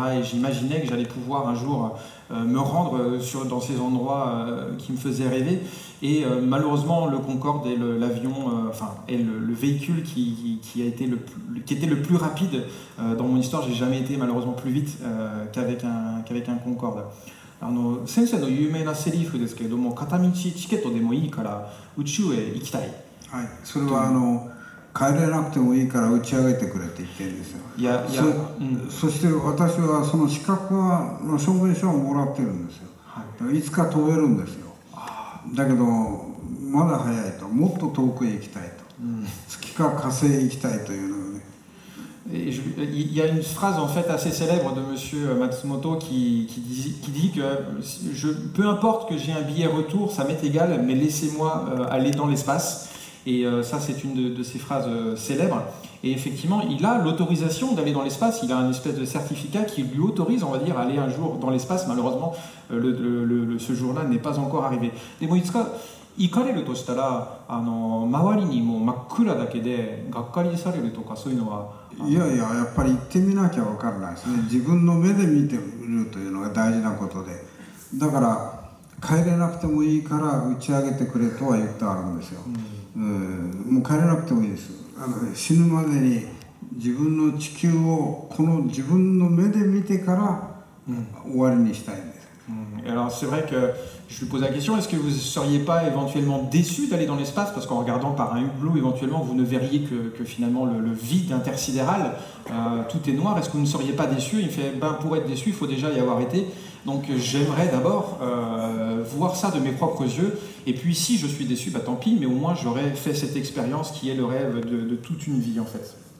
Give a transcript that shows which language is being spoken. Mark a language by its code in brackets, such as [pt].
[fr] Et j'imaginais que j'allais pouvoir un jour me rendre sur, dans ces endroits qui me faisaient rêver. Et malheureusement, le Concorde et le, l'avion, enfin, et le véhicule qui, a été le, qui était le plus rapide dans mon histoire, j'ai jamais été malheureusement plus vite qu'avec un Concorde. [ja] あの先生の有名なセリフですけれども片道チケットでもいいから宇宙へ行きたい。はい、それはあの帰れなくてもいいから打ち上げてくれって言ってるんですよ。いやいや、そして私はその資格はの証明書をもらってるんですよ。はい、いつか飛べるんですよ。だけどまだ早いと、もっと遠くへ行きたいと、月か火星へ行きたいというのね。 [fr] Et je, il y a une phrase en fait assez célèbre de monsieur Matsumoto qui dit que je, peu importe que j'ai un billet retour, ça m'est égal, mais laissez-moi aller dans l'espace. Et ça, c'est une de ces phrases célèbres. Et effectivement, il a l'autorisation d'aller dans l'espace. Il a une espèce de certificat qui lui autorise, on va dire, à aller un jour dans l'espace. Malheureusement, ce jour-là n'est pas encore arrivé. Mais bon, [ja] Itsuka, 行かれるとしたら、あの周りにもう真っ暗だけでがっかりされるとかそういうのは、いやいや、やっぱり行ってみなきゃ分からないですね。自分の目で見てみるというのが大事なことで、だから帰れなくてもいいから打ち上げてくれとは言ってあるんですよ。もう帰れなくてもいいです。あの死ぬまでに自分の地球をこの自分の目で見てから終わりにしたいんです。 [fr] Alors c'est vrai que je lui pose la question, est-ce que vous ne seriez pas éventuellement déçu d'aller dans l'espace parce qu'en regardant par un hublot éventuellement vous ne verriez que finalement le vide intersidéral, tout est noir, est-ce que vous ne seriez pas déçu? Il fait, ben pour être déçu il faut déjà y avoir été, donc j'aimerais d'abord voir ça de mes propres yeux, et puis si je suis déçu, ben tant pis, mais au moins j'aurais fait cette expérience qui est le rêve de toute une vie en fait.